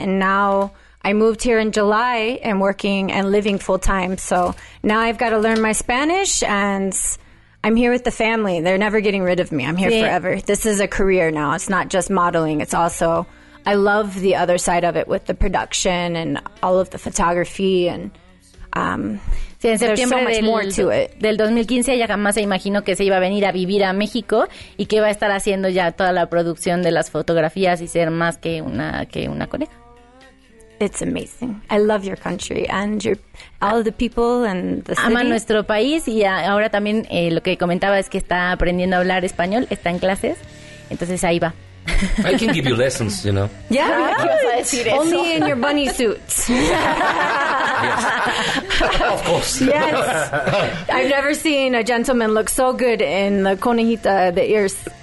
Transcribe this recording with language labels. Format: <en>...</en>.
<en>And now I moved here in July and working and living full time. So now I've got to learn my Spanish and I'm here with the family. They're never getting rid of me. I'm here forever. This is a career now. It's not just modeling. It's also, I love the other side of it with the production and all of the photography. And</en> <es>Sí, en septiembre del 2015 ella jamás se imaginó que se iba a venir a vivir a México y que iba a estar haciendo ya toda la producción de las fotografías y ser más que una coreana.</es> <en>It's amazing. I love your country and your all the people and the city.</en> <es>Ama nuestro país y ahora también lo que comentaba es que está aprendiendo a hablar español, está en clases, entonces ahí va.</es> <en>I can give you lessons, you know. Yeah, yeah.</en> <es>¿Qué vas a decir eso?</es> <en>Only in your bunny suits. Of course. Yes. I've never seen a gentleman look so good in the conejita de ears.</en>